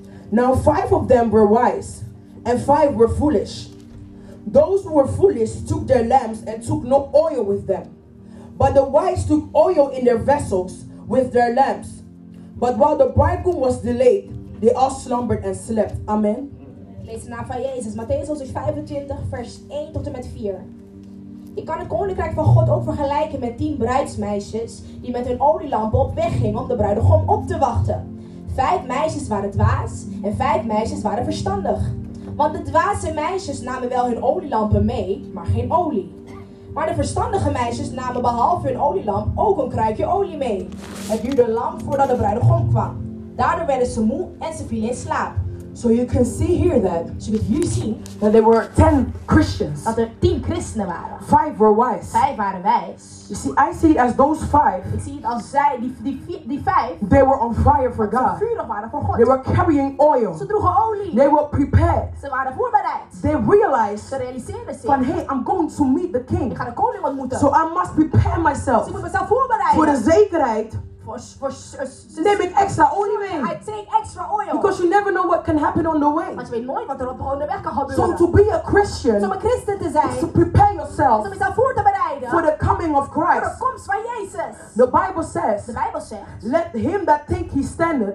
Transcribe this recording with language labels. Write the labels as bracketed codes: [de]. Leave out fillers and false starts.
[en] Now 5 of them were wise and 5 were foolish. Those who were foolish took their lamps and took no oil with them. But the wise took oil in their vessels with their lamps. But while the bridegroom was delayed, they all slumbered and slept. Amen. [nl] Lees de naam van Jezus, Matthäus 25, vers 1 tot en met 4. Je kan het koninkrijk van God ook vergelijken met 10 bruidsmeisjes die met hun olielampen op weg gingen om de bruidegom op te wachten. 5 meisjes waren dwaas en 5 meisjes waren verstandig. Want de dwaze meisjes namen wel hun olielampen mee, maar geen olie. Maar de verstandige meisjes namen behalve hun olielamp ook een kruikje olie mee. Het duurde lang voordat de bruidegom kwam. Daardoor werden ze moe en ze vielen in slaap. [en] So you can see here that, so did you see that there were 10 Christians. [nl] Dat er 10 christenen waren. [en] 5 were wise. [nl] 5 waren wijs. [en] You see, I see it as those 5. [nl] Ik zie het als zij die 5. [en] They were on fire for God. [nl] Ze vuurig waren voor God. [en] They were carrying oil. [nl] Ze droegen olie. [en] They were prepared. [nl] Ze waren voorbereid. [en] They realized. [nl] Ze realiseerden zich. [en] Van hey, I'm going to meet the King. [nl] Ik ga de koning ontmoeten. [en] So I must prepare myself. [nl] Ze moeten mezelf voorbereiden. Voor de zekerheid. [en] For [nl] neem ik extra olie mee. [en] I take extra oil. Because you never know what can happen on the way. [nl] Want je weet nooit wat er op de weg kan gebeuren. [en] So to be a Christian. [nl] Om een christen te zijn. [en] Is to prepare yourself. [nl] Om jezelf voor te bereiden. [en] For the coming of Christ. [nl] Voor de komst van Jezus. [en] The Bible says. [nl] De Bijbel zegt. [en] Let him that think he standeth.